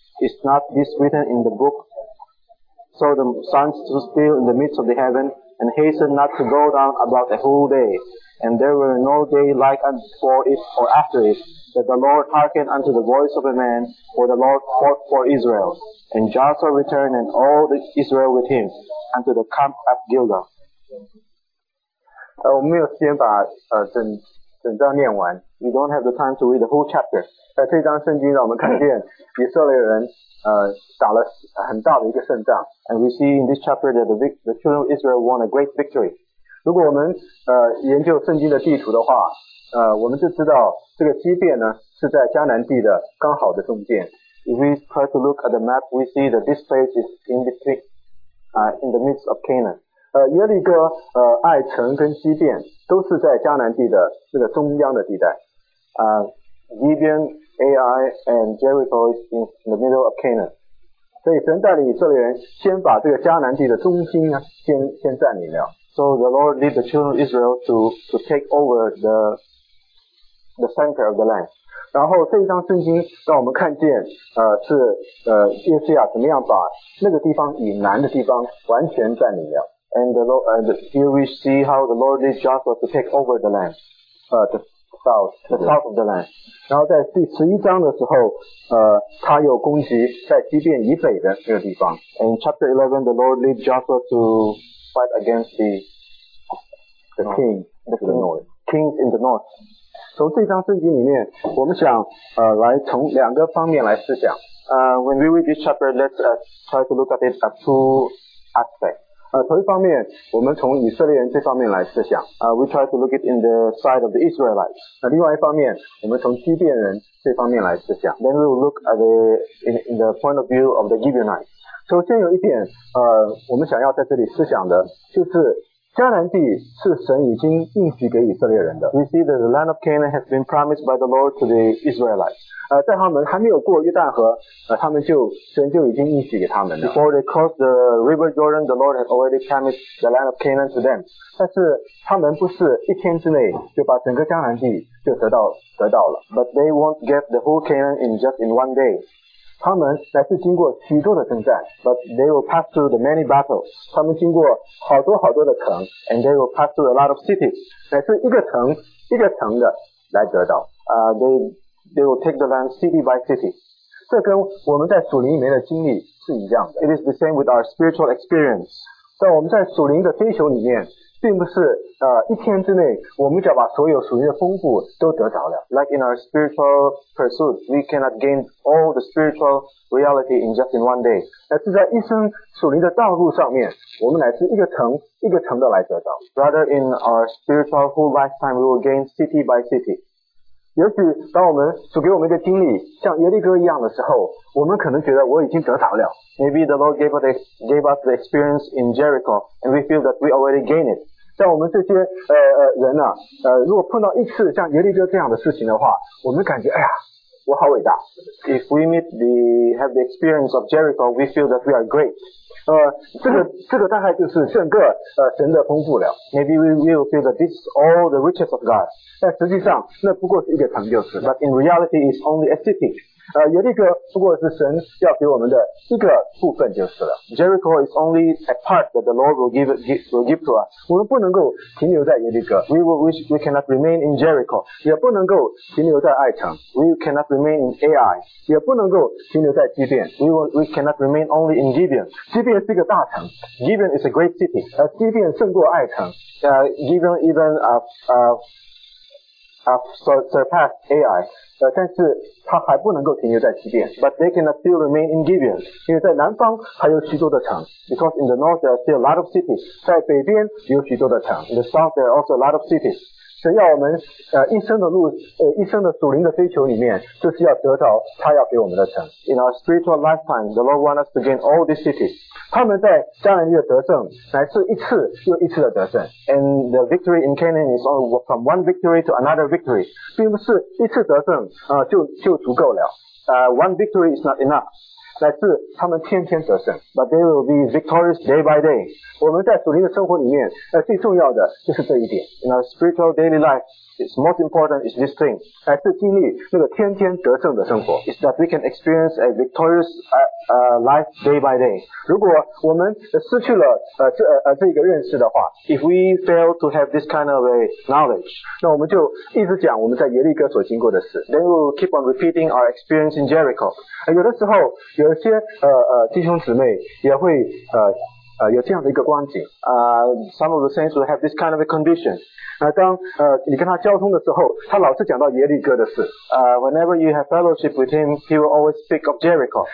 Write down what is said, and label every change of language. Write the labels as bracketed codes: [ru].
[en] Is not this written in the book? So the sun stood still in the midst of the heaven, and hastened not to go down about a whole day. And there were no day like unto it or after it, that the Lord hearkened unto the voice of a man, for the Lord fought for Israel. And Joshua returned and all the Israel with him unto the camp at Gilgal. [zh] 我们没有时间把整章念完。 [en] We don't have the time to read the whole chapter. [zh] 在这张圣经让我们看见以色列人打了很大的一个胜仗。 [en] And we see in this chapter that the children of Israel won a great victory. [zh] 如果我们研究圣经的地图的话，我们就知道这个基甸呢是在迦南地的刚好的中间。 [en] If we try to look at the map, we see that this place is in between, in the midst of Canaan. [zh] 耶利哥、爱城跟基甸都是在迦南地的这个中央的地带。 [en] Gibeon, Ai, and Jericho is in the middle of Canaan. [zh] 所以神带领以色列人先把这个迦南地的中心呢先占领了。 [en] So the Lord led the children of Israel to take over the center of the land. [zh] 然后这一张圣经让我们看见是约书亚怎么样把那个地方以南的地方完全占领了。 [en] And the Lord, and here we see how the Lord led Joshua to take over the land, the south of the land. [zh] 然后在第十一章的时候，他又攻击在基甸以北的那个地方。 [en] In chapter 11, the Lord led Joshua to fight against the kings in the north. [zh] 从这张圣经里面，我们想来从两个方面来思想。 [en] When we read this chapter, let's try to look at it at two aspects. [zh] 头一方面我们从以色列人这方面来思想。 [en] We try to look it in the side of the Israelites. [zh] 那另外一方面我们从基甸人这方面来思想。 [en] Then we will look at the point of view of the Gibeonites. [zh] 首先有一点我们想要在这里思想的就是迦南地是神已经应许给以色列人的。 [en] We see that the land of Canaan has been promised by the Lord to the Israelites. [zh] 在他们还没有过约旦河他们就神就已经应许给他们了。 [en] Before they crossed the river Jordan, the Lord had already promised the land of Canaan to them. [zh] 但是他们不是一天之内就把整个迦南地就得到了。 [en] But they won't get the whole Canaan in just in one day. [zh] 他们乃是经过许多的征战。 [en] But they will pass through the many battles. [zh] 他们经过好多好多的城。 [en] And they will pass through a lot of cities. [zh] 乃是一个城一个城的来得到。 [en] They will take the land city by city. [zh] 这跟我们在属灵里面的经历是一样的。 [en] It is the same with our spiritual experience. [zh] 但我们在属灵的追求里面并不是一天之内我们就要把所有属灵的丰富都得着了。 [en] Like in our spiritual pursuit, we cannot gain all the spiritual reality in just in one day. [zh] 而是在一生属灵的道路上面我们乃是一个城一个城的来得着。 [en] Rather in our spiritual whole lifetime, we will gain city by city. [zh] 也许当我们主给我们一个经历像耶利哥一样的时候我们可能觉得我已经得着了。 [en] Maybe the Lord gave us the experience in Jericho, and we feel that we already gained it. [zh] 像我们这些人啊如果碰到一次像耶利哥这样的事情的话我们感觉哎呀我好伟大。 [en] If we have the experience of Jericho, we feel that we are great. [zh] 这个大概就是整个神的丰富了。 [en] Maybe we will feel that this is all the riches of God. [zh] 但实际上那不过是一个城就是 [en] But in reality it's only a city. [zh] 耶利哥不过是神要给我们的一个部分就是了。 [en] Jericho is only a part that the Lord will give to us. [zh] 我们不能够停留在耶利哥。 [en] We cannot remain in Jericho. [zh] 也不能够停留在爱城。 [en] We cannot remain in Ai. [zh] 也不能够停留在基甸。 [en] We cannot remain only in Gibeon. [zh] 基甸是一个大城。 [en] Gibeon is a great city. [zh] 基甸胜过爱城。 [en] Gibeon even surpassed Ai, [zh] 但是他还不能够停留在基甸。 [en] But they cannot still remain in Gibeon, [zh] 因为在南方还有许多的城。 [en] Because in the north there are still a lot of cities. [zh] 在北边有许多的城。 [en] In the south there are also a lot of cities. [zh] 神要我们一生的路一生的属灵的追求里面就是要得到他要给我们的城。 [en] In our spiritual lifetime, the Lord wants us to gain all these cities. [zh] 他们在迦南地的得胜乃是一次又一次的得胜。 [en] And the victory in Canaan is from one victory to another victory. [zh] 并不是一次得胜就足够了。 [en] One victory is not enough. [zh] 乃至他们天天得胜 [en] But they will be victorious day by day. [zh] 我们在属灵的生活里面最重要的就是这一点 [en] In our spiritual daily life, it's most important is this thing. [zh] 乃至经历那个天天得胜的生活 [en] is that we can experience a victorious life day by day. [zh] 如果我们失去了这一个认识的话 [en] If we fail to have this kind of a knowledge, [zh] 那我们就一直讲我们在耶利哥所经过的事 [en] Then we will keep on repeating our experience in Jericho. [zh] 有的时候有些弟兄姊妹也会有这样的一个光景。 [en] Some of the saints will have this kind of a condition. [zh] 当你跟他交通的时候他老是讲到耶利哥的事。 [en] Whenever you have fellowship with him, he will always speak of Jericho.